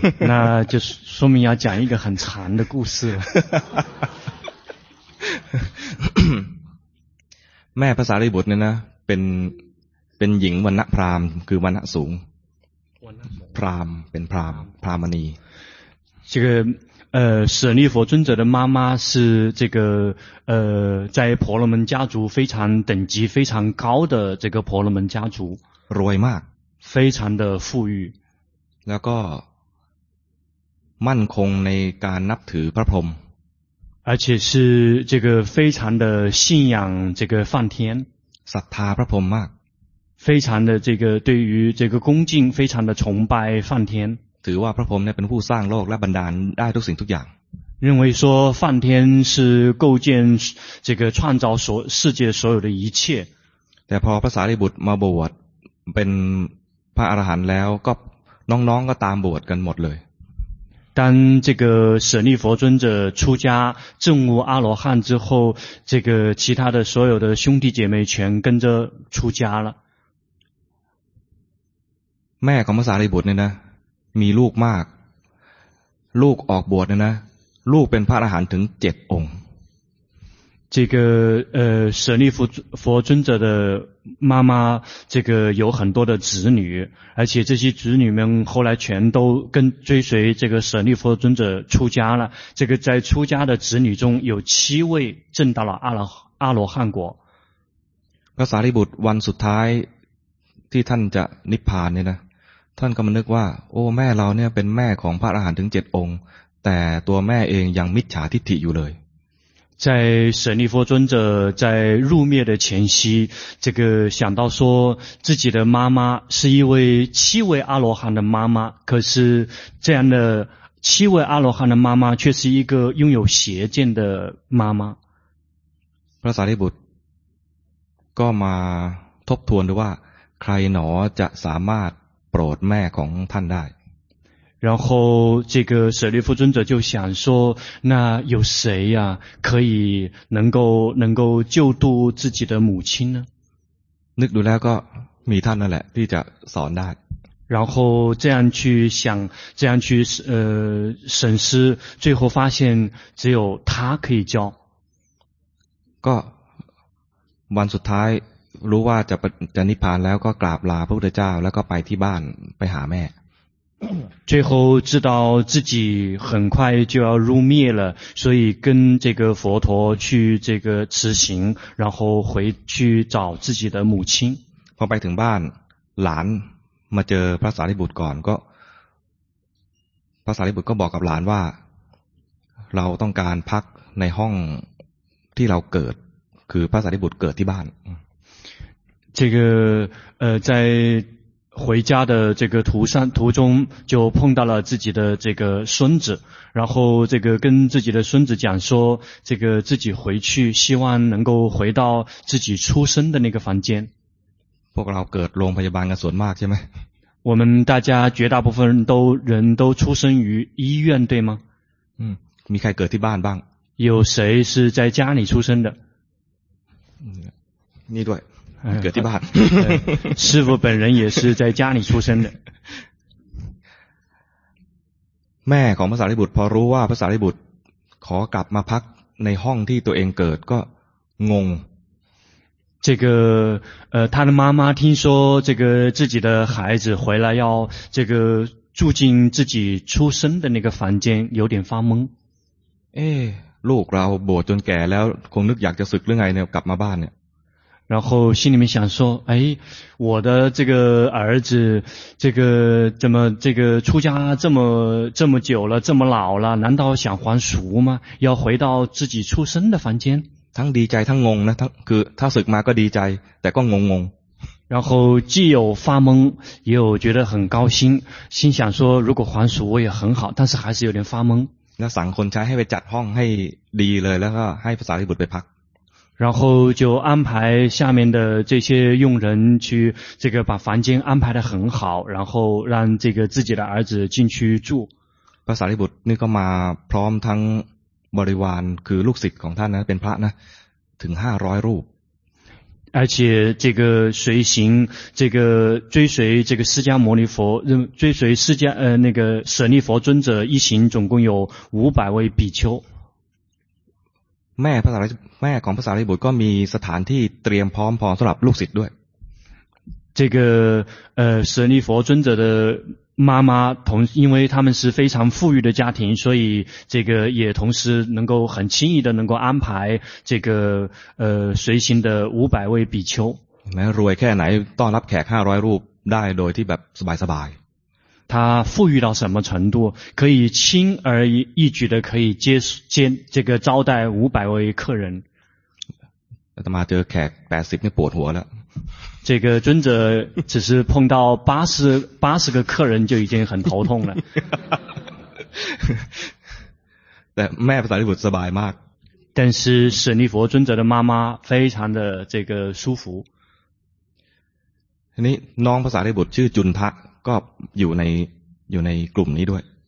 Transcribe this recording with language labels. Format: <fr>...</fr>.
<zh>那就说明要讲一个很长的故事了</zh> <th>แม่พระสารีบุตรเนี่ยนะเป็นหญิงวรรณะพราหมณ์คือวรรณะสูง พราหมณ์เป็นพราหมณ์พราหมณี</th> <zh>这个舍利弗尊者的妈妈是这个在婆罗门家族非常等级非常高的这个婆罗门家族</zh> <th>รวยมาก</th> <zh>非常的富裕</zh> <th>แล้วก็มั่นคงในการนับถือพระพรหม</th> <zh>而且是这个非常的信仰这个梵天</zh> <th>ศรัทธาพระพรหมมาก</th> <zh>非常的这个对于这个恭敬非常的崇拜梵天</zh> <th>ถือว่าพระพรหมเนี่ยเป็นผู้สร้างโลกและบันดาลได้ทุกสิ่งทุกอย่าง</th> <zh>认为说梵天是构建这个创造所世界所有的一切</zh> <th>แต่พอพระสารีบุตรมาบวชเป็นพระอรหันต์แล้วก็น้องๆก็ตามบวชกันหมดเลย</th> <zh>当这个舍利弗尊者出家证悟阿罗汉之后这个其他的所有的兄弟姐妹全跟着出家了</zh> <th>แม่ของพระสารีบุตรเนี่ยนะมีลูกมากลูกออกบวชเนี่ยนะลูกเป็นพระอรหันต์ถึง7องค์</th> <zh>这个舍利弗佛尊者的妈妈这个有很多的子女而且这些子女们后来全都跟追随这个舍利弗尊者出家了这个在出家的子女中有七位证到了阿罗汉果</zh> <th>พระสารีบุตรวันสุดท้ายที่ท่านจะนิพพานเนี่ยนะท่านก็มานึกว่าโอ้แม่เราเนี่ยเป็นแม่ของพระอรหันต์ถึง7องค์แต่ตัวแม่เองยังมิจฉาทิฏฐิอยู่เลย</th> <zh>在舍利弗尊者在入灭的前夕这个想到说自己的妈妈是一位七位阿罗汉的妈妈可是这样的七位阿罗汉的妈妈却是一个拥有邪见的妈妈</zh> <th>พระสารีบุตรก็มาทบทวนดูว่าใครหนอจะสามารถโปรดแม่ของท่านได้</th> <zh>然后这个舍利弗尊者就想说那有谁呀、啊、可以能够救度自己的母亲呢</zh> <th>นึกดูแล้วก็มีท่านนั่นแหละที่จะสอนได้</th> <zh>然后这样去想这样去审视最后发现只有他可以教</zh> <th>ก็วันสุดท้ายรู้ว่าจะนิพพานแล้วก็กราบลาพระพุทธเจ้าแล้วก็ไปที่บ้านไปหาแม่</th> <zh>最后知道自己很快就要入灭了所以跟这个佛陀去这个辞行然后回去找自己的母亲</zh> <th>พอไปถึงบ้านหลานมาเจอพระสารีบุตรก่อนก็พระสารีบุตรก็บอกกับหลานว่าเราต้องการพักในห้องที่เราเกิดคือพระสารีบุตรเกิดที่บ้าน</th> <zh>这个在回家的这个途中就碰到了自己的这个孙子然后这个跟自己的孙子讲说这个自己回去希望能够回到自己出生的那个房间</zh> <th>พวกเราเกิดโรงพยาบาลกันส่วนมากใช่ไหม</th> <zh>我们大家绝大部分人都出生于医院对吗</zh> <th>มีใครเกิดที่บ้านบ้าง</th> <zh>有谁是在家里出生的</zh> <th>นี่ด้วยเกิดที่บ้าน</th> <zh>师父本人也是在家里出生的</zh> <th>แม่ของพระสารีบุตรพอรู้ว่าพระสารีบุตรขอกลับมาพักในห้องที่ตัวเองเกิดก็งง</th> <zh>这个他的妈妈听说这个自己的孩子回来要这个住进自己出生的那个房间有点发懵</zh> <th>ลูกเราบวชจนแก่แล้วคงนึกอยากจะศึกหรือไงเนี่ยกลับมาบ้านเนี่ย</th> <zh>然后心里面想说哎我的这个儿子这个怎么这个出家这么久了这么老了难道想还俗吗要回到自己出生的房间</zh> <th>ทั้งดีใจทั้งงงนะคือถ้าศึกมาก็ดีใจแต่ก็งงง</th> <zh>然后既有发懵也有觉得很高兴心想说如果还俗我也很好但是还是有点发懵</zh> <th>那สั่งคนใช้ให้ไปจัดห้องให้ดีเลยแล้วก็ให้พระสารีบุตรไปพัก</th> <zh>然后就安排下面的这些佣人去这个把房间安排得很好然后让这个自己的儿子进去住</zh> <th>พระสารีบุตรนี่ก็มาพร้อมทั้งบริวารคือลูกศิษย์ของท่านนะเป็นพระนะถึง500รูป</th> <zh>而且这个随行这个追随这个释迦牟尼佛追随释迦那个舍利佛尊者一行总共有500位比丘</zh> <th>แม่ของพระสารีบุตรก็มีสถานที่เตรียมพร้อมสำหรับลูกศิษย์ด้วย</th> <zh>这个舍利弗尊者的妈妈同因为他们是非常富裕的家庭，所以这个也同时能够很轻易的能够安排这个随行的五百位比丘。</zh> <th>แม้รวยแค่ไหนต้อนรับแขก500รูปได้โดยที่แบบสบายสบาย</th> <zh>他富裕到什么程度可以轻而易举的可以接这个招待五百位客人。</zh> <th>แต่มาเจอแขก80นี่ปวดหัวแล้ว</th> <zh>这个尊者只是碰到80个客人就已经很头痛了。</zh> <th>แต่แม่พระสารีบุตรสบายมาก</th> <zh>但是舍利弗尊者的妈妈非常的这个舒服。</zh> <th>นี่น้องพระสารีบุตรชื่อจุนทะก็อยู่ในกลุ่มนี้ด้วย</th>